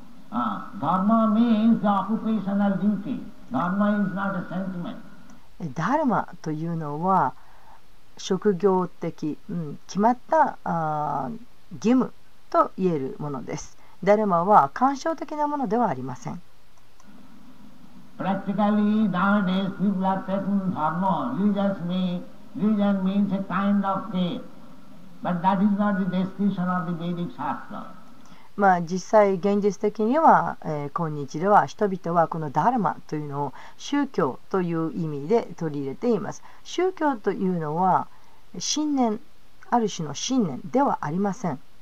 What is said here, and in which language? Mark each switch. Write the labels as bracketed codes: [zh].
[en] Dharma means the occupational duty. Dharma is not a sentiment. [ja] ダルマというのは職業的、決まった義務と言えるものです。ダルマは感傷的なものではありません。 [en] Practically nowadays people are taking dharma. You just meanReligion means a kind of faith, but that is not the description of the Vedic Shastra. [ja] まあ、実際現実的には、今日では人々はこのダルマというのを宗教という意味で取り入れています。宗教というのは信念、ある種の信念ではありません。